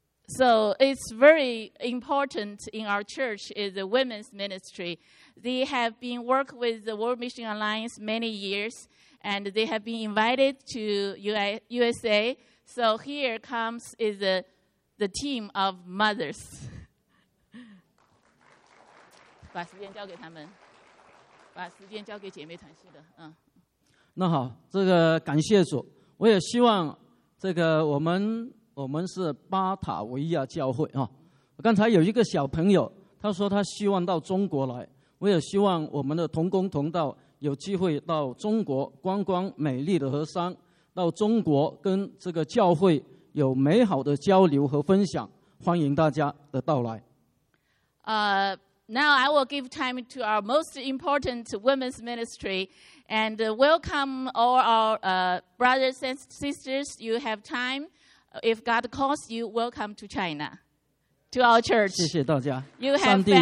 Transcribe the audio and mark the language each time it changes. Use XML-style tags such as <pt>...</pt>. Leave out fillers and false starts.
<en>So it's very important in our church is the women's ministry. They have been working with the World Mission Alliance many years, and they have been invited to USA. So here comes is the team of mothers.</en> <zh>把时间交给他们，把时间交给姐妹团系的。那好，这个感谢主，我也希望这个我们是巴塔维亚教会啊。刚才有一个小朋友，他说他希望到中国来，我也希望我们的同工同道有机会到中国观光美丽的河山，到中国跟这个教会有美好的交流和分享，欢迎大家的到来。</zh> <en>Now I will give time to our most important women's ministry and welcome all our brothers and sisters. You have time. If God calls you, welcome to China, to our church.</en> <zh>谢谢大家。</zh> <en>You have family</en>